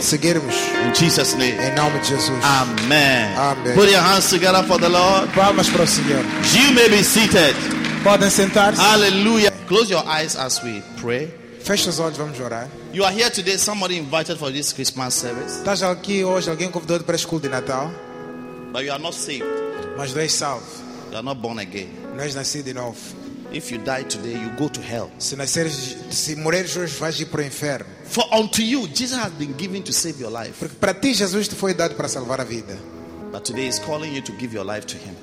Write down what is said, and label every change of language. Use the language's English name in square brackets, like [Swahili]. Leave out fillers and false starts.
[Portuguese] seguirmos, [English] in Jesus name, [Portuguese] em nome de Jesus, [English] amen, amen. Put your hands together for the Lord, [Portuguese] vamos para o Senhor, [English] you may be seated, [Portuguese] podem sentar-se, [English] hallelujah, close your eyes as we pray. [Portuguese] Feche os olhos, vamos orar. [English] You are here today, somebody invited for this Christmas service. [Portuguese] Estás aqui hoje, alguém convidou para a escola de Natal. [English] But you are not saved. [Portuguese] Mas não és salvo. [English] You are not born again. [Portuguese] Não és nascido de novo. [English] If you die today, you go to hell. [Portuguese] Se nasceres, se morreres hoje, vais ir para o inferno. [English] For unto you, Jesus has been given to save your life. [Portuguese] Porque para ti Jesus te foi dado para salvar a vida. [English] But today he's calling you to give your life to him.